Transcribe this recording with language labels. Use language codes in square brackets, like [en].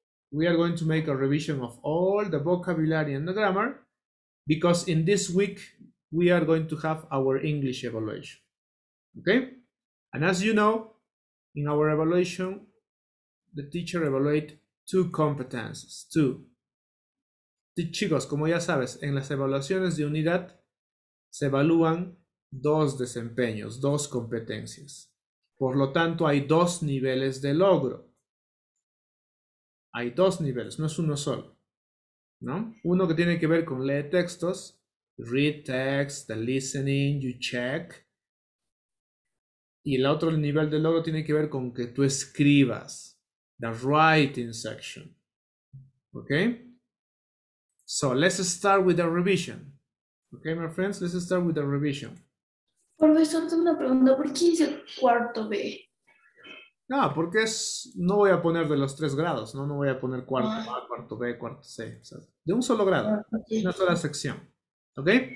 [en] We are going to make a revision of all the vocabulary and the grammar, because in this week we are going to have our English evaluation, okay? And as you know, in our evaluation, the teacher evaluate two competences, two. [es] Chicos, como ya sabes, en las evaluaciones de unidad se evalúan dos desempeños, dos competencias. Por lo tanto, hay dos niveles de logro. Hay dos niveles, no es uno solo, ¿no? Uno que tiene que ver con leer textos, [en] read text, the listening, you check. [es] Y el otro nivel de logro tiene que ver con que tú escribas, [en] the writing section. Okay? So, let's start with the revision. Okay, my friends, let's start with the revision. [es] Profesor, tengo una pregunta, ¿por qué dice cuarto B? No, porque es, no voy a poner de los tres grados, ¿no? No voy a poner cuarto A, cuarto B, cuarto C, o sea, de un solo grado, una sola sección, ¿ok?